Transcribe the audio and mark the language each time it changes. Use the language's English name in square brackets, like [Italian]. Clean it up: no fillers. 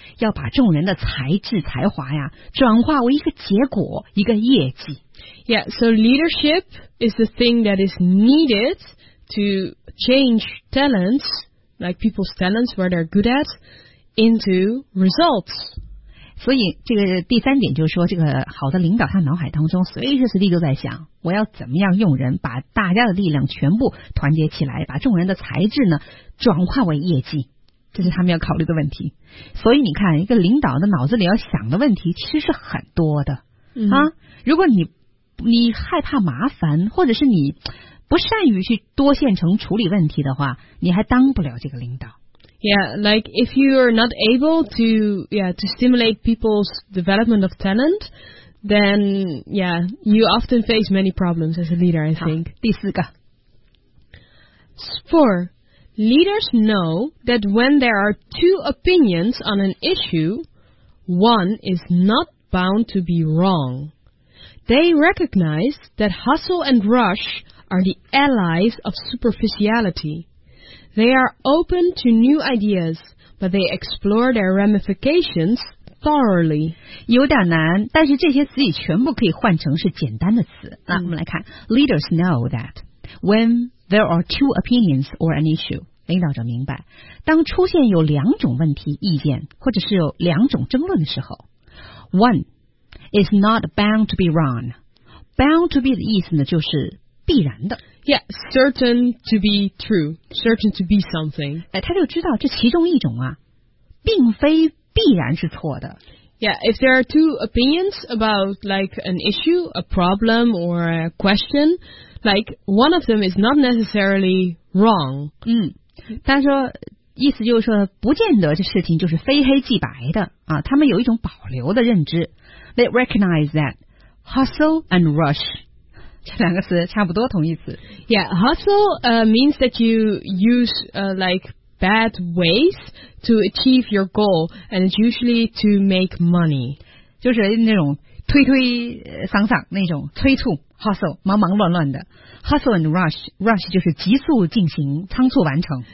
[Chinese] 要把众人的才智才华呀转化为一个结果，一个业绩。 [English] Yeah, so leadership is the thing that is needed to change talents. Like people's talents, what they're good at, into results. [Chinese] 所以这个第三点就是说，这个好的领导他脑海当中随时随地都在想，我要怎么样用人，把大家的力量全部团结起来，把众人的才智呢转化为业绩，这是他们要考虑的问题。所以你看，一个领导的脑子里要想的问题其实是很多的、 mm-hmm. 啊。如果你害怕麻烦，或者是你。不善于去多线程处理问题的话，你还当不了这个领导。 [English] Yeah, like if you are not able to, yeah, to stimulate people's development of talent, then yeah, you often face many problems as a leader. I think. [Chinese] 第四个 [English] ，Four, leaders know that when there are two opinions on an issue, one is not bound to be wrong. They recognize that hustle and rush. Are the allies of superficiality. They are open to new ideas, but they explore their ramifications thoroughly. [Chinese] 有点难，但是这些词语全部可以换成是简单的词。那我们来看 [English] ，leaders know that when there are two opinions or an issue， [Chinese] 领导者明白，当出现有两种问题、意见，或者是有两种争论的时候 [English] ，one is not bound to be wrong. Bound to be [Chinese] 的意思呢，就是。必然的 [English] ，Yeah, certain to be true, certain to be something. [Chinese] 哎，他就知道这其中一种啊，并非必然是错的。 Yeah, if there are two opinions about like an issue, a problem or a question, like one of them is not necessarily wrong. 嗯，他说意思就是说，不见得这事情就是非黑即白的啊。他们有一种保留的认知 ， [English] They recognize that hustle and rush. [Chinese] 这两个词差不多同义词。 [English] Yeah, hustle means that you use like bad ways to achieve your goal, and it's usually to make money. [Chinese] 就是那种推推搡搡那种催促 hustle 忙忙乱乱的 [English] hustle and rush [Chinese] 就是急速进行仓促完成。